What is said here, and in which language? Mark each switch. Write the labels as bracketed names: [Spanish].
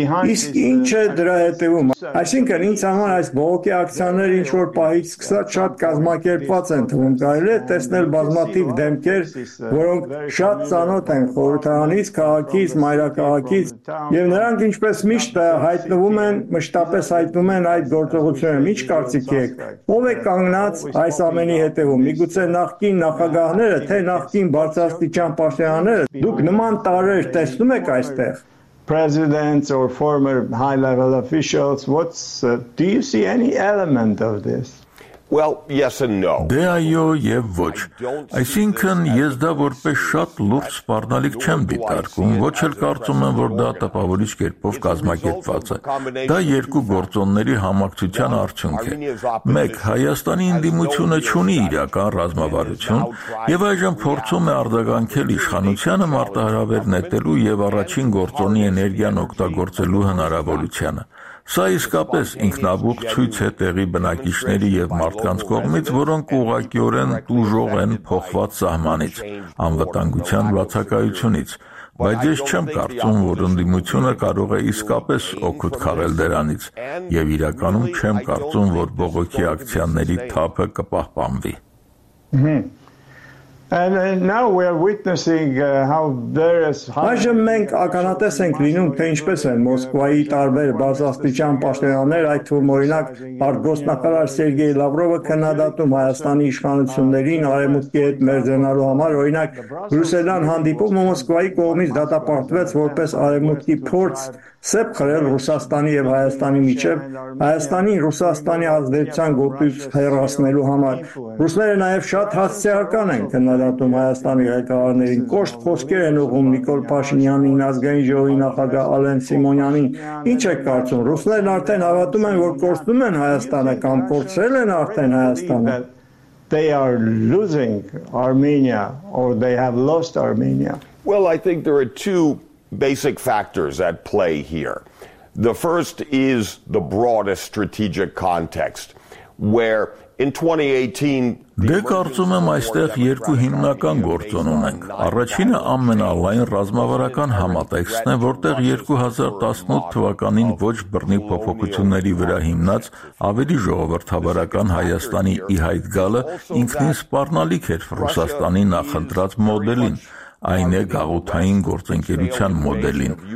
[Armenian] Իսկ ինչ է դրա հետևում, այսինքն ինձ համար այս բողոքի ակցիաները ինչ-որ պահից սկսած շատ կազմակերպված են թվում, կարելի է տեսնել բազմաթիվ դեմքեր, որոնք շատ ծանոթ են խորհրդարանից, քաղաքից, մայրաքաղաքից, և նրանք ինչպես միշտ հայտնվում են, մշտապես հայտնում են այդ գործողությունը, ինչ կարծիք եք, ո՞վ է կանգնած այս ամենի հետևում, միգուցե նախկին նախագահները, թե նախկին բարձրաստիճան պաշտոնյաները, դուք նման տարեր տեսնում եք այստեղ [English] presidents or former high level officials, what's do you see any element of this? Well, yes and no. [Armenian] Դե այո եւ ոչ. Այսինքն ես դա որպես շատ լուրջ սպառնալիք չեմ դիտարկում, ոչ էլ կարծում եմ, որ դա տպավորիչ կերպով կազմակերպված է։ Դա երկու գործոնների համակցության արդյունք է։ Մեկ, Հայաստանի ինդիմությունը չունի իրական ռազմավարություն եւ այժմ փորձում է արձագանքել իշխանությանը մարտահրավեր նետելու եւ առաջին գործոնի էներգիան օգտագործելու հնարավորությանը։ Սա իսկապես ինքնաբուխ ցույց է տեղի բնակիչների եւ մարդկանց կողմից, որոնք ուղղակիորեն տուժող են փոխված սահմանից, անվտանգության բացակայությունից, բայց ես չեմ կարծում, որ ընդդիմությունը կարող է իսկապես օգուտ քաղել դրանից, եւ իրականում չեմ կարծում, որ բողոքի ակցիաների թափը կպահպանվի։ [English] And now we are witnessing how various [Armenian] Այժմ մենք ականատես ենք լինում, թե ինչպես են Մոսկվայի տարբեր բարձրաստիճան պաշտոնյաները, այդ թվում օրինակ արտգոստնախարար Սերգեյ Լավրովը քննադատում Հայաստանի իշխանություններին արևմուտքի հետ մերձենալու համար, օրինակ Բրյուսելյան հանդիպումը Մոսկվայի կողմից դատապարտվեց որպես արևմուտքի փորձ սեպ խրել Ռուսաստանի եւ Հայաստանի միջեւ, Հայաստանի Ռուսաստանի ազդեցության գործից հեռացնելու համար։ Ռուսները նաեւ շատ հասարակական են քննադատում Հայաստանի ղեկավարներին, կոշտ խոսքեր են ուղում Նիկոլ Փաշինյանին, ազգային ժողովի նախագահ Ալեն Սիմոնյանին։ Ինչ եք կարծում, ռուսներն արդեն հավատում են, որ կորցնում են Հայաստանը կամ կորցրել են արդեն Հայաստանը? [English] They are losing Armenia or they have lost Armenia? Well, I think there are two basic factors at play here. The first is the broadest strategic context, where in 2018 [Armenian] Դե կարծում եմ այստեղ երկու հիմնական գործոն ունենք։ Առաջինը ամենալայն ռազմավարական համատեքստն է, որտեղ 2018 թվականին ոչ բռնի փոփոխությունների վրա հիմնած ավելի ժողովրդավարական Հայաստանի ի հայտ գալը ինքնին սպառնալիք էր Ռուսաստանի նախընտրած մոդելին, այն է գաղութային գործընկերության մոդելին։